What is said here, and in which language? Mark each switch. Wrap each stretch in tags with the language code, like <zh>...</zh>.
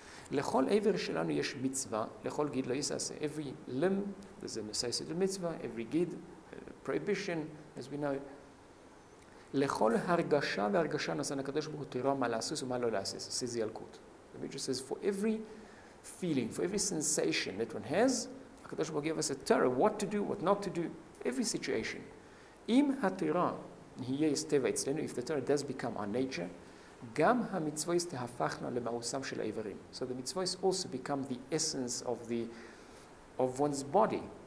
<he>לכל עבר שלנו יש מצווה, לכל גיד לא יסעשה.</he> <en>Every limb, there's a necessity of mitzvah, every gid, prohibition, as we know.</en> <he>לכל הרגשה והרגשה נוסן הקדוש ברוך הוא תראה מה לעשות ומה לא לעשות.</he> <en>This is the Yalkut. The Midrash says, for every feeling, for every sensation that one has, HaKadosh Baruch Hu gave us a Torah, what to do, what not to do, every situation.</en> <he>Im HaTorah nihyeh yisteva etzlenu,</he> <en>if the Torah does become our nature,</en> <he>gam ha-mitzvois tehafachna le-ma'usam shel ha'ivarim.</he> <en>So the mitzvois also become the essence of one's body.</en>